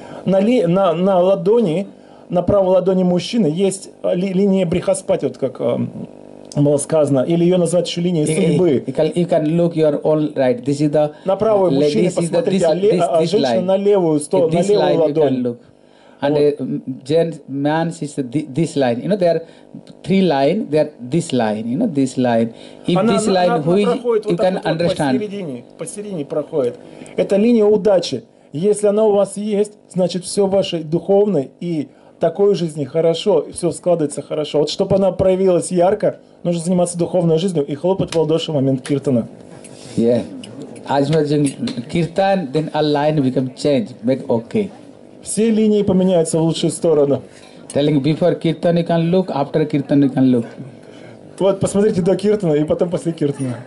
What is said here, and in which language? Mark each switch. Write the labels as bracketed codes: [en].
[ru] На ладони, на правой ладони мужчины есть линия брихаспати, вот как было сказано, или ее называют еще линией судьбы. На правую мужчину посмотрите, женщина на левую сторону, на левую ладонь. [en] And gent man is this line. You know, there are three lines, there are this line, you know, this line. If [ru] она, [en] this line, who is, you [ru] вот [en] can [ru] вот [en] understand. [ru] Посередине проходит. Это линия удачи. Если она у вас есть, значит, все в вашей духовной и такой жизни хорошо, и все складывается хорошо. Вот чтобы она проявилась ярко, нужно заниматься духовной жизнью и хлопать в ладоши в момент киртана. [en] Yeah. As you kirtan, then a line become change, make okay. [ru] Все линии поменяются в лучшую сторону. [en] Telling before kirtan you can look, after kirtan you can look. [ru] Вот, посмотрите до киртана и потом после киртана.